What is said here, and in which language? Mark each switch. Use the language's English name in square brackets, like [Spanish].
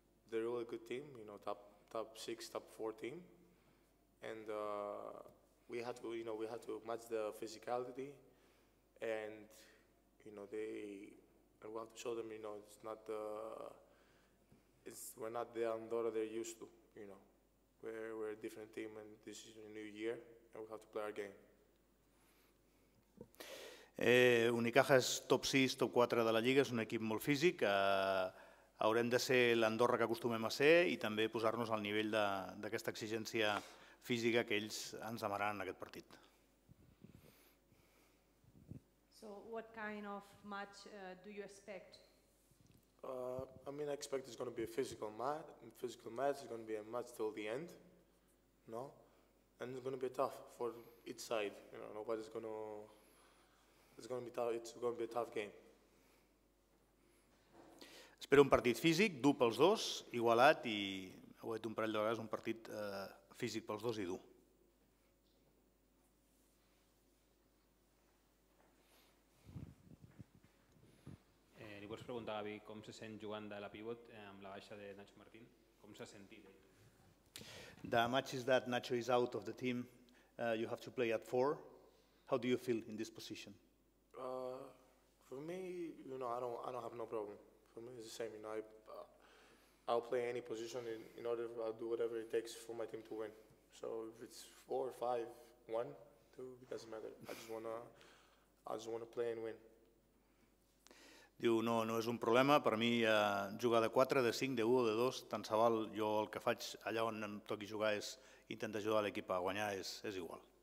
[English] They're a really good team, you know, top six, top four team, and we had to match the physicality, and you know we have to show them, you know, we're not the Andorra they're used to, you know, we're a different team, and this is a new year, and we have to play our game. [Catalan] Unicaja és top 6, top 4 de la Lliga, és un equip molt físic. Haurem de ser l'Andorra que acostumem a ser i també posar-nos al nivell d'aquesta exigència física que ells ens demanaran en aquest partit. [English] So what kind of match do you expect? I mean, I expect it's going to be a physical match. It's going to be a match till the end, no? And it's going to be tough for each side. You know, nobody's going to. It's going to be tough. It's going to be a tough game. [Catalan] Espero un partit físic, dur pels dos, igualat i ho he dit un parell de vegades, un partit físic pels dos i dur. Li vols preguntar, Gavi, com se sent jugant de la pivot amb la baixa de Nacho Martín? Com s'ha sentit? [English] The match is that Nacho is out of the team. You have to play at four. How do you feel in this position? For me, you know, I don't have no problem. For me, it's the same. You know, I'll play any position in order. I'll do whatever it takes for my team to win. So if it's 4, 5, 1, 2, it doesn't matter. I just wanna play and win. [Catalan] Diu, no és un problema, per mi jugar de 4, de 5, de 1 o de 2, tant se val, jo el que faig allà on em toqui jugar és intentar ajudar l'equip a guanyar, és igual.